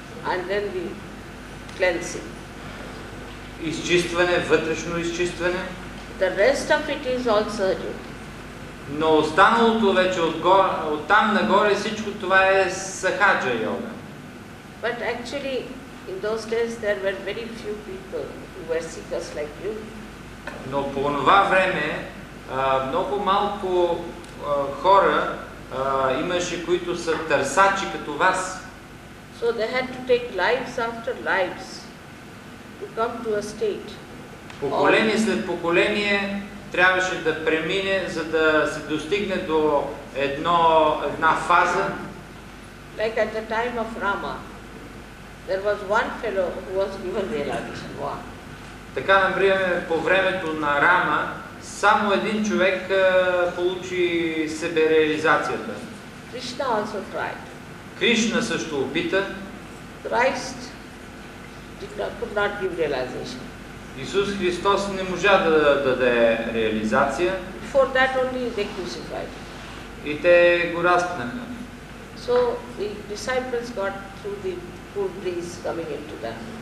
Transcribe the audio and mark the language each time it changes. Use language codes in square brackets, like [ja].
[en] And then the cleansing. [bg] Изчистване, вътрешно изчистване. [en] The rest of it is all surgery. [bg] Но останалото вече от там нагоре всичко това е сахаджа йога. [en] But actually in those days there were very few people who were seekers like you. [bg] Но по това време много малко хора имаше, които са търсачи като вас. [en] So they had to take lives after lives to come to a state. [bg] Поколение след поколение трябваше да премине, за да се достигне до една фаза. [en] Like at the time of Rama, there was one fellow who was given realization. [bg] Така, например, по времето на Рама, само един човек получи себе реализацията. [en] Krishna also tried. [bg] Кришна също опита. [en] Christ could not give realization. [bg] Исус Христос не можа да даде реализация. [en] For that only they crucified. [bg] И те го разпнаха. [en] So the disciples got through the cool breeze coming into them.